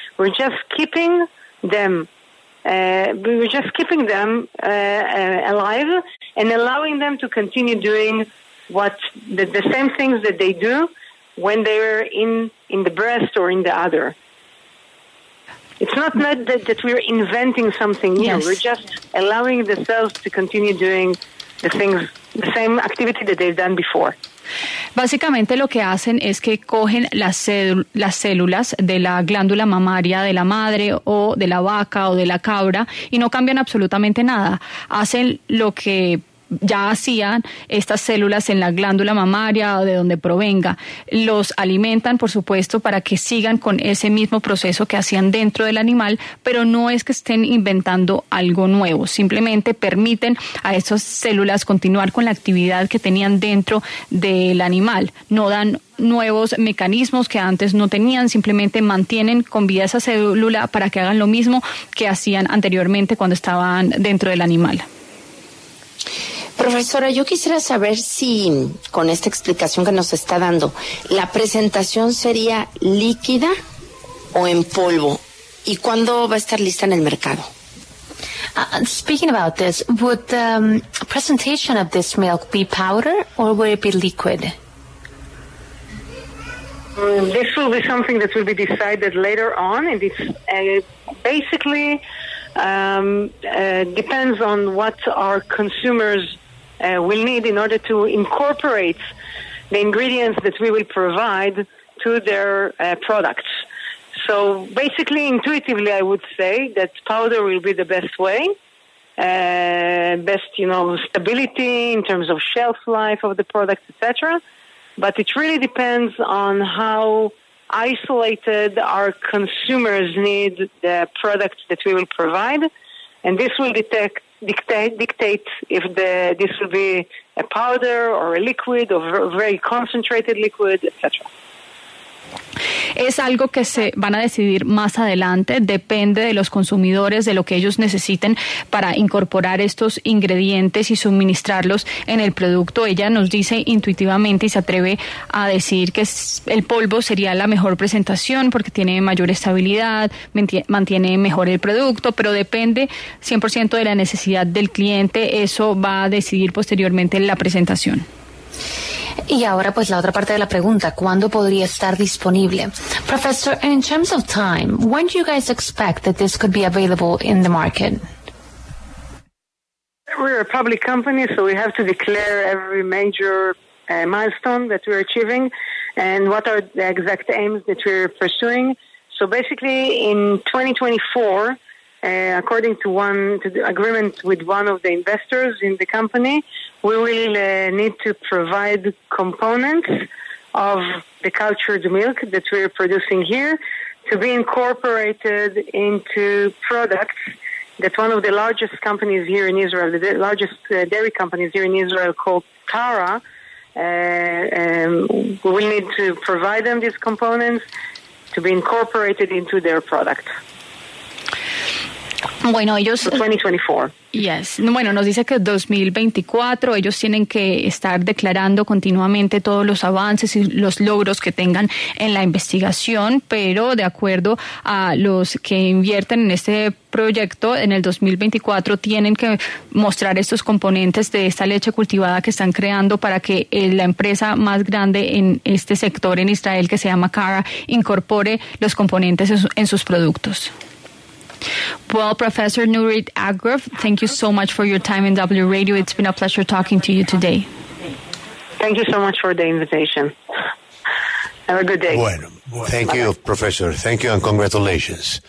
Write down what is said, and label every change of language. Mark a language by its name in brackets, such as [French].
[English] We're just keeping them alive and allowing them to continue doing what the same things that they do when they were in the breast or in the other. It's not that we're inventing something new. Yes. We're just allowing the cells to continue doing the things, the same activity that they've done before. [Spanish] Básicamente lo que hacen es que cogen las células de la glándula mamaria de la madre o de la vaca o de la cabra y no cambian absolutamente nada. Hacen lo que ya hacían estas células en la glándula mamaria o de donde provenga. Los alimentan, por supuesto, para que sigan con ese mismo proceso que hacían dentro del animal, pero no es que estén inventando algo nuevo. Simplemente permiten a esas células continuar con la actividad que tenían dentro del animal. No dan nuevos mecanismos que antes no tenían, simplemente mantienen con vida esa célula para que hagan lo mismo que hacían anteriormente cuando estaban dentro del animal. Profesora, yo quisiera saber si con esta explicación que nos está dando, ¿la presentación sería líquida o en polvo? ¿Y cuándo va a estar lista en el mercado? [English] Speaking about this, would the presentation of this milk be powder or would it be liquid? This will be something that will be decided later on, and it's basically depends on what our consumers will need in order to incorporate the ingredients that we will provide to their products. So basically, intuitively, I would say that powder will be the best way, best, you know, stability in terms of shelf life of the product, etc. But it really depends on how isolated our consumers need the product that we will provide, and this will dictate if this will be a powder or a liquid or very concentrated liquid, etc. [Spanish] Es algo que se van a decidir más adelante, depende de los consumidores, de lo que ellos necesiten para incorporar estos ingredientes y suministrarlos en el producto. Ella nos dice intuitivamente y se atreve a decir que el polvo sería la mejor presentación porque tiene mayor estabilidad, mantiene mejor el producto, pero depende 100% de la necesidad del cliente. Eso va a decidir posteriormente la presentación. Y ahora pues la otra parte de la pregunta, ¿cuándo podría estar disponible? [English] Professor, in terms of time, when do you guys expect that this could be available in the market? We're a public company, so we have to declare every major milestone that we're achieving and what are the exact aims that we're pursuing. So basically in 2024, according to the agreement with one of the investors in the company, we will need to provide components of the cultured milk that we're producing here to be incorporated into products that one of the largest companies here in Israel, the largest dairy companies here in Israel called Tara, we will need to provide them these components to be incorporated into their product. [Spanish] Bueno, ellos... [English] 2024. [Spanish] Yes. Bueno, nos dice que 2024, ellos tienen que estar declarando continuamente todos los avances y los logros que tengan en la investigación, pero de acuerdo a los que invierten en este proyecto, en el 2024 tienen que mostrar estos componentes de esta leche cultivada que están creando para que la empresa más grande en este sector en Israel, que se llama Cara, incorpore los componentes en sus productos. [English] Well, Professor Nurit Agraf, thank you so much for your time in W Radio. It's been a pleasure talking to you today. Thank you so much for the invitation. Have a good day. Bueno, thank you, Professor. Thank you and congratulations.